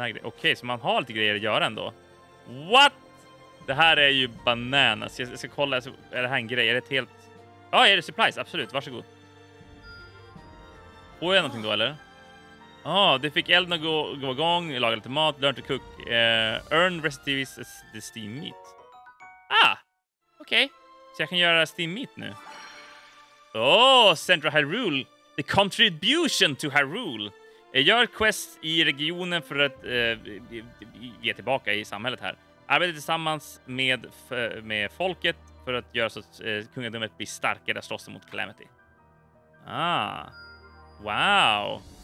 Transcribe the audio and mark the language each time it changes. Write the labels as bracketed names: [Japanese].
[Swedish] Okej, så man har lite grejer att göra ändå. What? Det här är ju bananas. Jag ska kolla. Är det här en grej? Är det ett helt... Ja, är det supplies? Absolut. Varsågod. Får jag någonting då, eller? Ja, det fick elden att gå igång. Laga lite mat. Learn to cook. [English] Earn recipes as the steam meat. Ah! Okej. Okay. [Swedish] Så jag kan göra steam meat nu. Åh! Oh, Central Hyrule. The contribution to Hyrule. Jag gör quest i regionen för att ge tillbaka i samhället här. Arbeta tillsammans med folket för att göra så att kungadömet blir starkare och slåss mot Calamity. Ah. Wow.